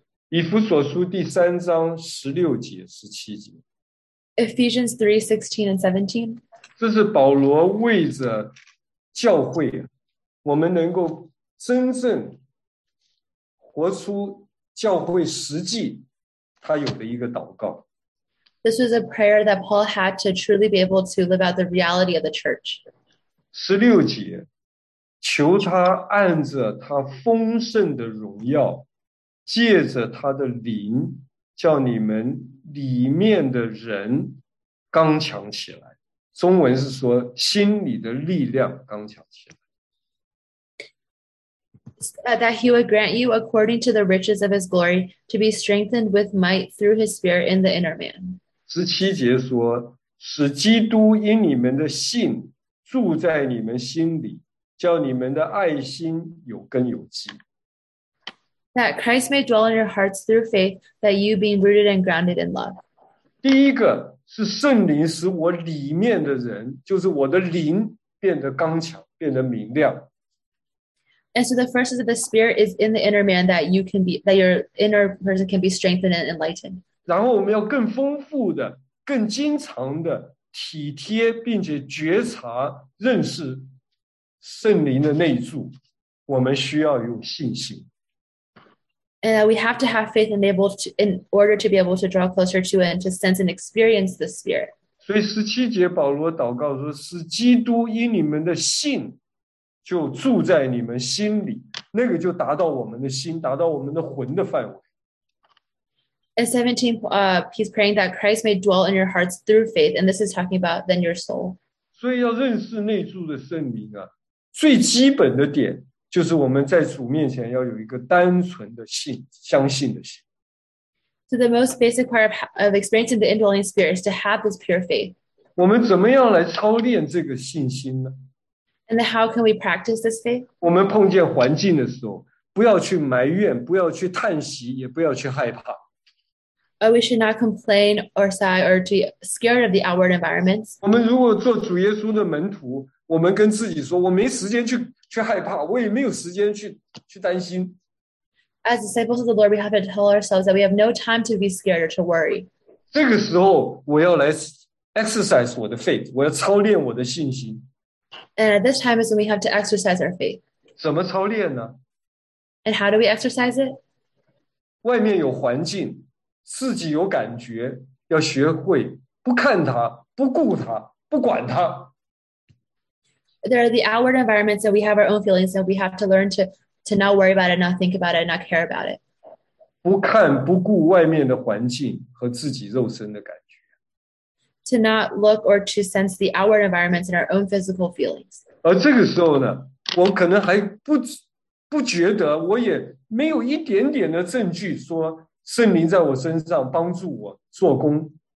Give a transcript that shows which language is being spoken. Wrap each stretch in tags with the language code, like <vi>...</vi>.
<zh>以弗所书第三章十六节、十七节。</zh> <en>Ephesians 3:16 and 17.</en> <zh>这是保罗为着教会，我们能够真正活出教会实际，他有的一个祷告。</zh> <en>This was a prayer that Paul had to truly be able to live out the reality of the church.</en> <zh>十六节，求他按着他丰盛的荣耀，借着他的灵，叫你们里面的人刚强起来，中文是说心里的力量刚强起来。</zh> <en>That he would grant you according to the riches of his glory to be strengthened with might through his spirit in the inner man.</en> <zh>十七节说，使基督因你们的信住在你们心里，叫你们的爱心有根有基。</zh> <en>That Christ may dwell in your hearts through faith, that you being rooted and grounded in love.</en> <zh>第一个是圣灵使我里面的人，就是我的灵变得刚强，变得明亮。</zh> <en>And so the first is that the Spirit is in the inner man that you can be, that your inner person can be strengthened and enlightened.</en> <zh>然后我们要更丰富的、更经常的体贴并且觉察认识圣灵的内住，我们需要有信心。</zh> <en>And we have to have faith enabled to, in order to be able to draw closer to and to sense and experience the Spirit.</en> <zh>所以十七节保罗祷告说，使基督因你们的信就住在你们心里，那个就达到我们的心，达到我们的魂的范围。</zh> <en>In 17, he's praying that Christ may dwell in your hearts through faith, and this is talking about then your soul.</en> <zh>所以要认识内住的圣灵啊，最基本的点就是我们在主面前要有一个单纯的信，相信的心。</zh> <en>So the most basic part of experiencing the indwelling spirit is to have this pure faith.</en> <zh>我们怎么样来操练这个信心呢？</zh> <en>And how can we practice this faith?</en> <zh>我们碰见环境的时候，不要去埋怨，不要去叹息，也不要去害怕。</zh> <en>We should not complain or sigh or be scared of the outward environments.</en> <zh>我们如果做主耶稣的门徒，我们跟自己说，我没时间去害怕，我也没有时间去担心。</zh> <en>As disciples of the Lord, we have to tell ourselves that we have no time to be scared or to worry.</en> <zh>这个时候，我要来 exercise 我的 faith， 我要操练我的信心。</zh> <en>And at this time is when we have to exercise our faith.</en> <zh>怎么操练呢？</zh> <en>And how do we exercise it?</en> <zh>外面有环境，自己有感觉，要学会不看它，不顾它，不管它。</zh> <en>There are the outward environments that we have our own feelings and we have to learn to not worry about it, not think about it, not care about it.</en> <zh>不看不顾外面的环境和自己肉身的感觉。</zh> <en>To not look or to sense the outward environments and our own physical feelings.</en> <zh>而这个时候呢，我可能还不觉得，我也没有一点点的证据说圣灵在我身上帮助我做工。</zh>